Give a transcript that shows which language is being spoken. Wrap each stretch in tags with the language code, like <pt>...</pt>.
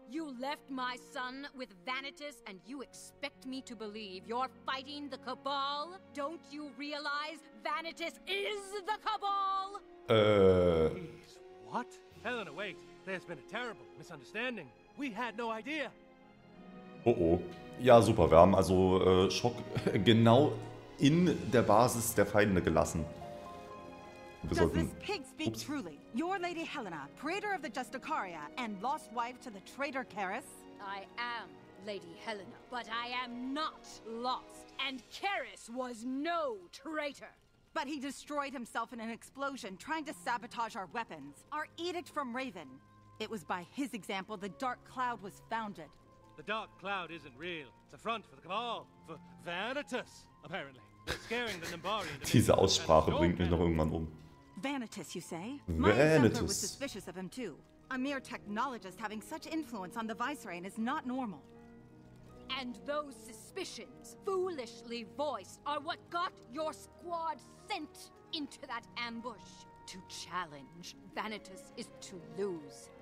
<en>You left my son with Vanitas and you expect me to believe you're fighting the Cabal? Don't you realize Vanitas is the Cabal? Please, what? Helena, wait. There's been a terrible misunderstanding. We had no idea.</en> <de>Oh oh. Ja, super. Wir haben also Schock genau in der Basis der Feinde gelassen. Wir sollten,</de> <en>does this pig speak truly? Your Lady Helena, praetor of the Justicaria and lost wife to the traitor Karis? I am Lady Helena, but I am not lost. And Karis was no traitor. But he destroyed himself in an explosion, trying to sabotage our weapons. Our edict from Raven. It was by his example the Dark Cloud was founded. The Dark Cloud isn't real. It's a front for the Cabal. For Vanitas, apparently. They're scaring the Numbari.</en> <de>Diese Aussprache bringt mich noch irgendwann um.</de> <en>Vanitas, you say? Vanitas. My temper was suspicious of him, too. A mere technologist having such influence on the Viceroy is not normal. And those suspicions, foolishly voiced, are what got your squad sent into that ambush. To challenge Vanitas is to lose.</en>